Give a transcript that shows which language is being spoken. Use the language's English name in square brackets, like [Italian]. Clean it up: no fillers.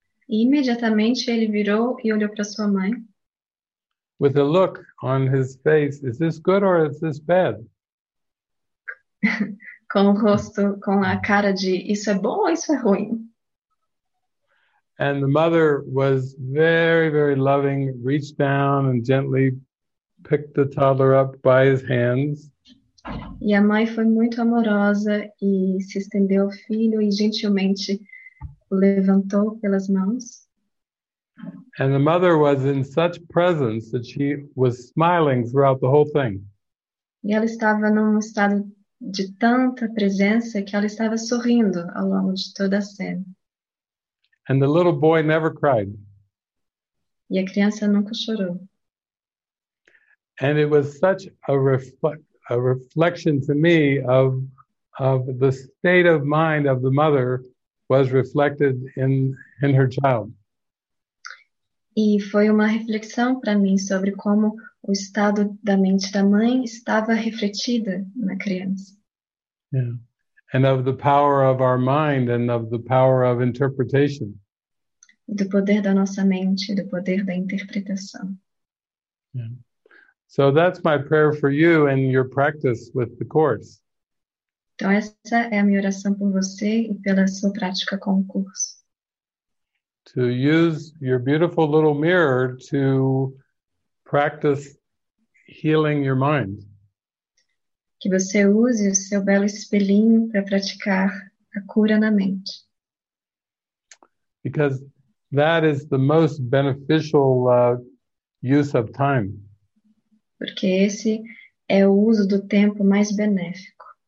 [Portuguese] E imediatamente ele virou e olhou para sua mãe. [English] With a look on his face, is this good or is this bad? [Portuguese] Com o rosto, com a cara de, isso é bom ou isso é ruim? [English] And the mother was very, very loving, reached down and gently picked the toddler up by his hands. [Portuguese] E a mãe foi muito amorosa e se estendeu ao filho e gentilmente levantou pelas mãos. [English] And the mother was in such presence that she was smiling throughout the whole thing. [Portuguese] E ela estava num estado de tanta presença que ela estava sorrindo ao longo de toda a cena. [English] And the little boy never cried. [Portuguese] E a criança nunca chorou. [English] And it was such a reflection to me of the state of mind of the mother was reflected in her child. [Portuguese] E foi uma reflexão para mim sobre como o estado da mente da mãe estava refletida na criança. [English] Yeah. And of the power of our mind and of the power of interpretation. [Portuguese] Do poder da nossa mente, do poder da interpretação. [English] Yeah. So that's my prayer for you and your practice with the course. [Portuguese] Então essa é a minha oração por você e pela sua prática com o curso. [English] To use your beautiful little mirror to practice healing your mind. [Portuguese] Que você use o seu belo espelhinho para praticar a cura na mente. [English] Because that is the most beneficial use of time. [Portuguese] Porque esse é o uso do tempo mais benéfico.